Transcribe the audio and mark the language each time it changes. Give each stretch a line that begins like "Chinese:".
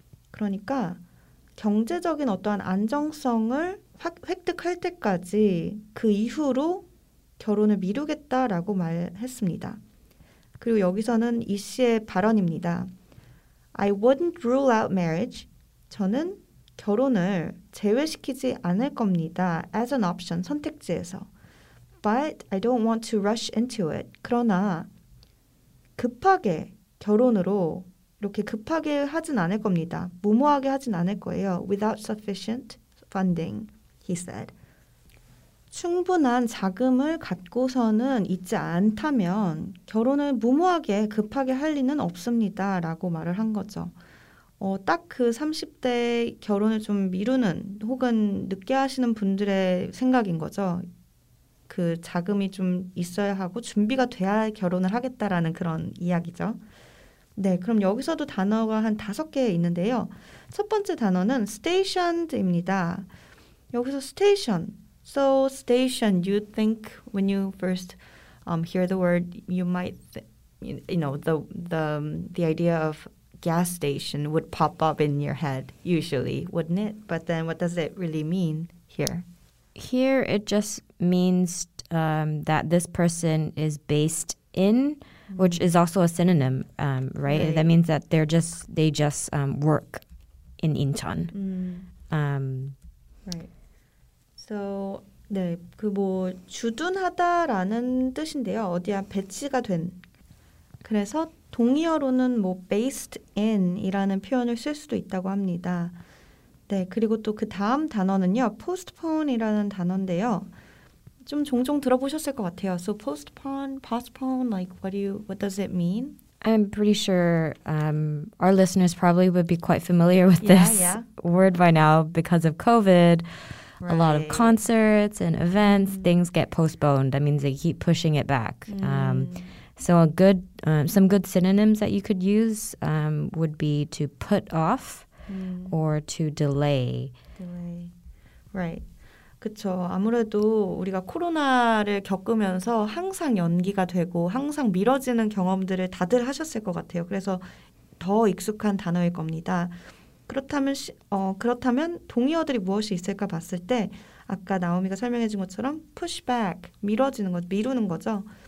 Korean: 그러니까 경제적인 어떠한 안정성을 획득할 때까지 그 이후로 결혼을 미루겠다라고 말했습니다. 그리고 여기서는 이 씨의 발언입니다.
English: I wouldn't rule out marriage.
Korean: 저는 결혼을 제외시키지 않을 겁니다.
English: As an option,
Korean: 선택지에서.
English: But I don't want to rush into it.
Korean: 그러나 급하게 결혼으로 이렇게 급하게 하진 않을 겁니다. 무모하게 하진 않을 거예요.
English: Without sufficient funding, he said.
Korean: 충분한 자금을 갖고서는 있지 않다면 결혼을 무모하게 급하게 할 리는 없습니다. 라고 말을 한 거죠. 딱 그 30대 결혼을 좀 미루는 혹은 늦게 하시는 분들의 생각인 거죠. 그 자금이 좀 있어야 하고 준비가 돼야 결혼을 하겠다라는 그런 이야기죠. 네, 그럼 여기서도 단어가 한 다섯 개 있는데요. 첫 번째 단어는 stationed입니다. 여기서 station.
English: So station, you think when you first hear the word, you might, the idea of gas station would pop up in your head usually, wouldn't it? But then what does it really mean here? Here it just means that this person is based in, which is also a synonym, right? That means that they just work in Incheon. Right. So
Korean: 네, 그 뭐 주둔하다라는 뜻인데요. 어디야 배치가 된. 그래서 동의어로는 뭐 based in이라는 표현을 쓸 수도 있다고 합니다. 네, 그리고 또 그 다음 단어는요. postpone이라는 단어인데요. 좀 종종 들어보셨을 것 같아요.
English: So postpone, postpone, like what does it mean? I'm pretty sure our listeners probably would be quite familiar with this word by now because of COVID. Right. A lot of concerts and events, things get postponed. That means they keep pushing it back. So a good, some good synonyms that you could use would be to put off or to delay.
Korean: Right. 그렇죠. 아무래도 우리가 코로나를 겪으면서 항상 연기가 되고 항상 미뤄지는 경험들을 다들 하셨을 것 같아요. 그래서 더 익숙한 단어일 겁니다. 그렇다면 그렇다면 동의어들이 무엇이 있을까 봤을 때 아까 나오미가 설명해 준 것처럼 push back, 미뤄지는 것, 미루는 거죠.